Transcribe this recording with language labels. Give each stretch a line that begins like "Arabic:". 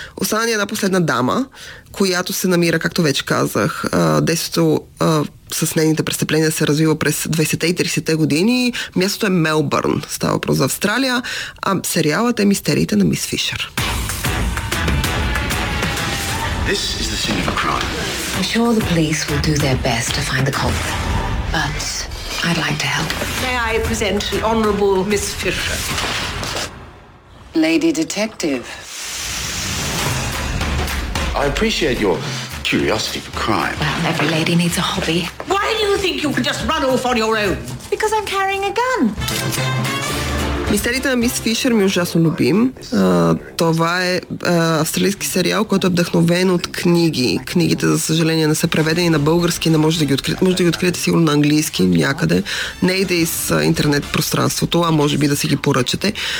Bulgarian: Остана ни една последна дама, която се намира, както вече казах, действото с нейните престъпления се развива през 20-те и 30-те години. Мястото е Мелбърн, става въпрос за Австралия, а сериалът е Мистериите на Мис Фишер.
English: This is the scene of a crime. I'm sure the police will do their best to find the culprit. But I'd like to help. May I present the honorable Miss Fisher? Lady detective. I appreciate your curiosity for crime. Well, every lady needs a hobby. Why do you think you can just run off on your own? Because I'm carrying a gun.
Bulgarian: Мистериите на Мис Фишер ми ужасно любим. Това е австралийски сериал, който е вдъхновен от книги. Книгите, за съжаление, не са преведени на български, не може да ги откриете. Може да ги откриете сигурно на английски някъде. Не иде из интернет пространството, а може би да си ги поръчате.